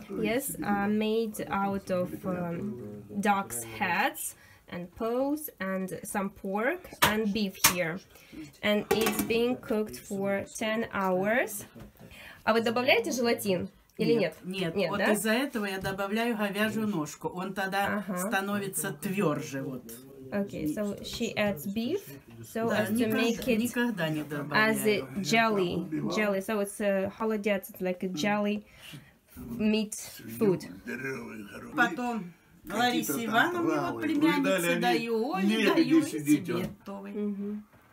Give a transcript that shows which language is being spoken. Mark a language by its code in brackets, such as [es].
[en] Yes, made out of duck's heads and paws and some pork and beef here. And it's being cooked for 10 hours. [ru] А вы добавляете желатин? Или нет? Нет, вот да? Из-за этого я добавляю говяжью ножку. Он тогда становится тверже. Вот. [en] Okay, so she adds beef, so [ru] да, [en] as to make it as a jelly. Jelly, so it's a kholodets, it's like a jelly meat food. [ru] Потом Ларисе Ивановне, вот племяннице, даю, Оле даю, и себе готовый.